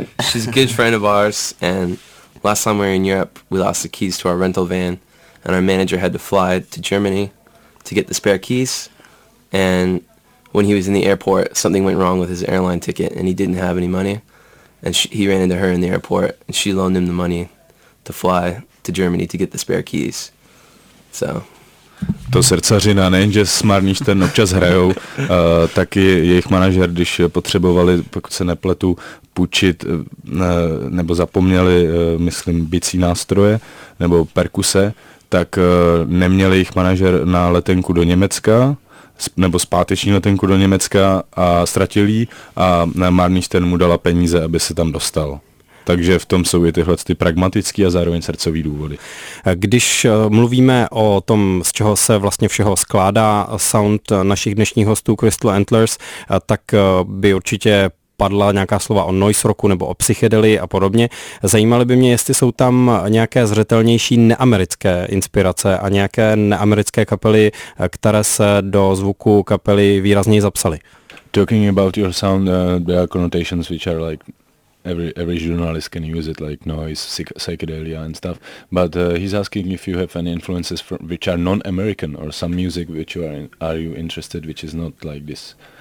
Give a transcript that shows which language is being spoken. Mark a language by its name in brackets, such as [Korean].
[English] She's a good friend of ours, and last time we were in Europe, we lost the keys to our rental van, and our manager had to fly to Germany to get the spare keys, and when he was in the airport, something went wrong with his airline ticket, and he didn't have any money, And he ran into her in the airport, and she loaned him the money to fly to Germany to get the spare keys. So. [Czech] To srdcařina, nejenže Smarníš ten občas hrajou, taky jejich manažer, když potřebovali, pokud se nepletu, půjčit nebo zapomněli, myslím, bicí nástroje nebo perkuse, tak neměli jejich manažer na letenku do Německa, nebo zpáteční letenku do Německa a ztratil jí a Marníš ten mu dala peníze, aby se tam dostal. Takže v tom jsou i tyhle ty pragmatický a zároveň srdcový důvody. Když mluvíme o tom, z čeho se vlastně všeho skládá sound našich dnešních hostů Crystal Antlers, tak by určitě padla nějaká slova o noise rocku nebo o psychedelii a podobně. Zajímalo by mě, jestli jsou tam nějaké zřetelnější neamerické inspirace a nějaké neamerické kapely, které se do zvuku kapely výrazněji zapsaly. [English] Talking about your sound, there are connotations which are like every journalist can use it, like noise, psychedelia and stuff. But he's asking if you have any influences from, which are non-American or some music which you are in, are you interested, which is not like this.